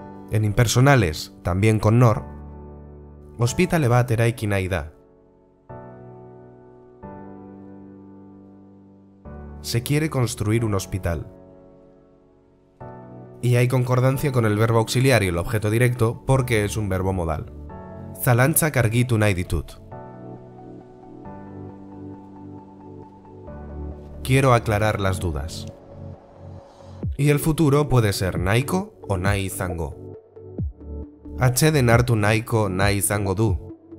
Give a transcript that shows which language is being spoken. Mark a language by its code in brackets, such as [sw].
[es] En impersonales, también con nor, [eu] ospitale bat eraiki nahi da. [es] Se quiere construir un hospital. y hay concordancia con el verbo auxiliar y el objeto directo porque es un verbo modal. [eu] Zalantzak argitu nahi ditut. [es] Quiero aclarar las dudas. Y el futuro puede ser nahiko o nahi izango. [eu] Atxeden hartu nahiko nahi izango du.